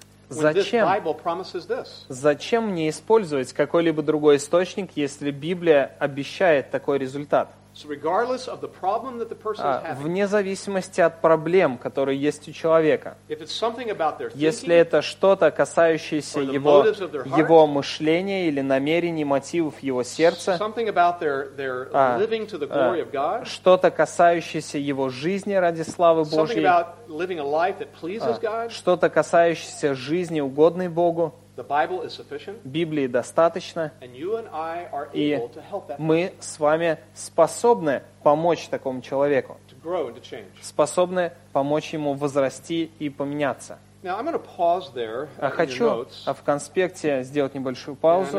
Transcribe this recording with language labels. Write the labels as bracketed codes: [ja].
[ru] Зачем мне использовать какой-либо другой источник, если Библия обещает такой результат? [en] So regardless of the problem that the person is having, [ru] вне зависимости от проблем, которые есть у человека, [en] if it's something about their thinking, [ru] если это что-то, касающееся его, его мышления или намерений, мотивов его сердца, [en] something about their living to the glory of God, [ru] что-то, касающееся его жизни ради славы Божьей, [en] something about living a life that pleases God, [ru] что-то, касающееся жизни, угодной Богу, [en] the Bible is sufficient, [ru] Библии достаточно, [en] and you and I are able to help that person. [ru] Мы с вами способны помочь такому человеку, [en] to grow and to change. [ru] Способны помочь ему возрасти и поменяться. [en] Now, I'm going to pause there in [ru] хочу [en] your notes. [ru] В конспекте сделать небольшую паузу.